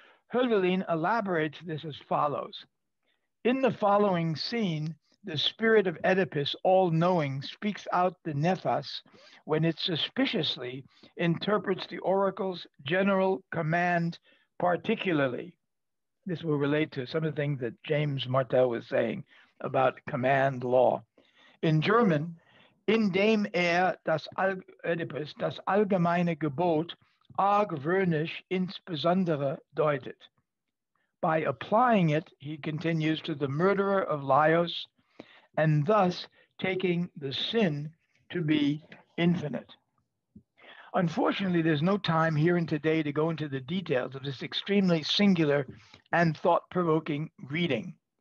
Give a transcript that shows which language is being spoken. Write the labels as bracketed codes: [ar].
[en] Hölderlin elaborates this as follows. In the following scene, the spirit of Oedipus, all-knowing, speaks out the nephas when it suspiciously interprets the oracle's general command particularly. This will relate to some of the things that James Martel was saying about command law. In German, [de] in dem er das Oedipus, das allgemeine Gebot, argwöhnisch insbesondere deutet. [en] By applying it, he continues, to the murderer of Laios, and thus taking the sin to be infinite. Unfortunately, there's no time here and today to go into the details of this extremely singular and thought-provoking reading.